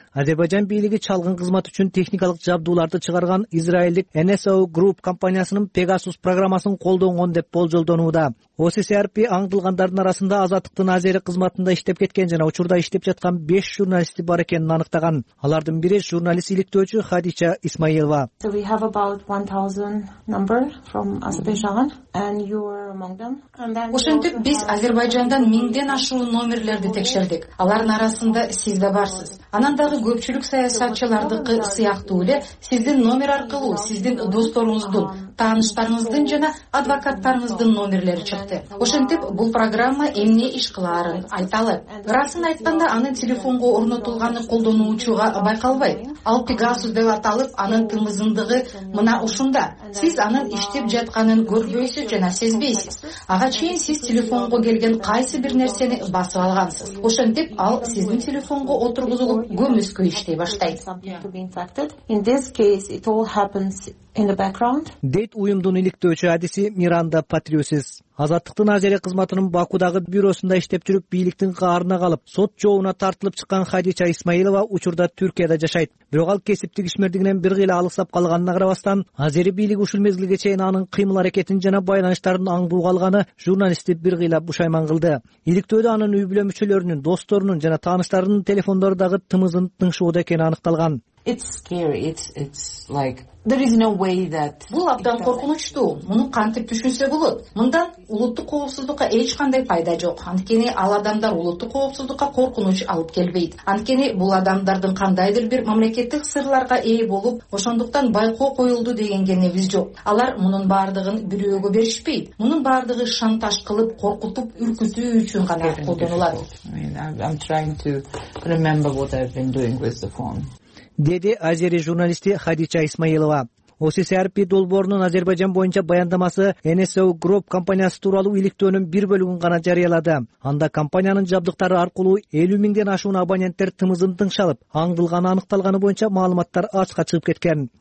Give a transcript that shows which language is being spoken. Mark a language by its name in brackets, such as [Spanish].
[Kyrgyz] Азербайжан бийлиги чалгын кызмат үчүн техникалык жабдууларды чыгарган израилдик NSO Group компаниясынын Pegasus программасын колдонгон деп болжолдонууда. OSCRP аңдылгандардын арасында Азаттыктын Азери кызматында иштеп кеткен жана учурда иштеп жаткан 5 журналисти бар экенин аныктаган. Алардын бири журналист иликтөөчү Хадича Исмаилова. [English] So we have about 1000 number from Azerbaijan and you are among them. [Kyrgyz] Ошентип биз Азербайджандан 1000ден ашуун номерлерди текшердик. Алардын арасында сиз да барсыз. Анан дагы көпчүлүк саясатчылардыкы сыяктуу эле сиздин номер аркылуу сиздин досторуңуздун, тааныштарыңыздын жана адвокаттарыңыздын номерлери чыкты. Ошентип бул программа эмне иш кыларын айталы. Расын айтканда анын телефонго орнотулганы колдонуучуга байкалбайт. Ал Pegasus деп аталып, анын тымызындыгы мына ушунда. Сиз анын иштеп жатканын көрбөйсүз жана сезбейсиз. Ага чейин сиз телефонго келген кайсы бир нерсени басып алгансыз. Ошентип ал сиздин телефонго отургузулуп, көмүскө иштей баштайт. [English] In this case it all happens in the background. [Kyrgyz] Дейт уюмдун иликтөөчү адиси Миранда Патриосис. Азаттыктын Азери кызматынын Бакудагы бюросунда иштеп жүрүп, бийликтин каарына калып, сот жообуна тартылып чыккан Хадича Исмаилова учурда Түркияда жашайт. Бирок ал кесиптик ишмердигинен бир кыйла алыксап калганына карабастан, Азери бийлиги ушул мезгилге чейин анын кыймыл аракетин жана байланыштарын аңдуу калганы журналисти бир кыйла бушайман кылды. Иликтөөдө анын үй бүлө мүчөлөрүнүн, досторунун жана тааныштарынын телефондору дагы тымызын тыңшоодо экени аныкталган. [English] It's scary. It's like there is no way that. [Kyrgyz] Бул абдан коркунучтуу. Муну кантип түшүнсө болот? Мындан улуттук коопсуздукка эч кандай пайда жок. Анткени ал адамдар улуттук коопсуздукка коркунуч алып келбейт. Анткени бул адамдардын кандайдыр бир мамлекеттик сырларга ээ болуп, ошондуктан байкоо коюлду дегенге негиз жок. Алар мунун бардыгын бирөөгө беришпейт. Мунун бардыгы шантаж кылып, коркутуп, үркүтүү үчүн гана колдонулат. [English] I'm trying to remember what I've been doing with the phone. [Kyrgyz] Деди Азери журналисти Хадича Исмаилова. OSCRP долбоорунун Азербайжан боюнча баяндамасы NSO Group компаниясы тууралуу иликтөөнүн бир бөлүгүн гана жарыялады. Анда компаниянын жабдыктары аркылуу 50000ден ашуун абоненттер тымызын тыңшалып, аңдылганы аныкталганы боюнча маалыматтар ачыкка чыгып кеткен.